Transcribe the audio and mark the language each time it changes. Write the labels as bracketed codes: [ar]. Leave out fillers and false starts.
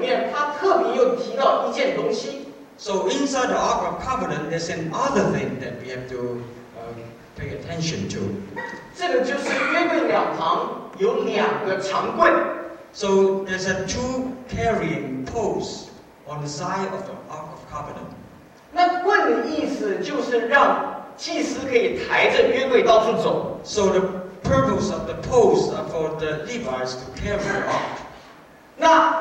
[zh] 这个我们看见约柜里面，他特别又提到一件东西。 [en] So inside the Ark of Covenant, there's another thing that we have to pay attention to. [zh] 这个就是约柜两旁有两个长棍。 [en] So there's a two carrying poles on the side of the Ark of Covenant. [zh] 那棍的意思就是让 祭司可以抬着约柜到处走。 [en] So the purpose of the poles are for the Levites to carry out.